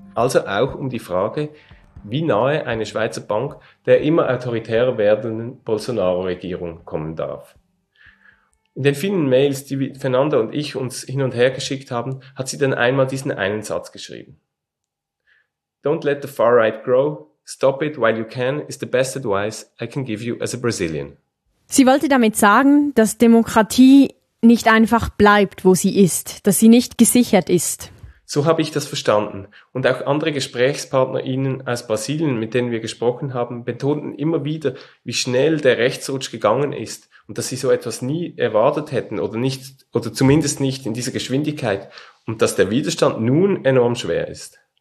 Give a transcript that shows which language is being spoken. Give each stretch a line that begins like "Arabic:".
German: Also auch um die Frage, wie nahe eine Schweizer Bank der immer autoritärer werdenden Bolsonaro-Regierung kommen darf. In den vielen Mails, die Fernanda und ich uns hin und her geschickt haben, hat sie dann einmal diesen einen Satz geschrieben.
English: Don't let the far right grow, stop it while you can is the best advice I can give you as a Brazilian.
German: Sie wollte damit sagen, dass Demokratie nicht einfach bleibt, wo sie ist, dass sie nicht gesichert ist. So habe ich das verstanden. Und auch andere GesprächspartnerInnen aus Brasilien, mit denen wir gesprochen haben, betonten immer wieder, wie schnell der Rechtsrutsch gegangen ist und dass sie so etwas nie erwartet hätten oder zumindest nicht in dieser Geschwindigkeit und dass der Widerstand nun enorm schwer ist.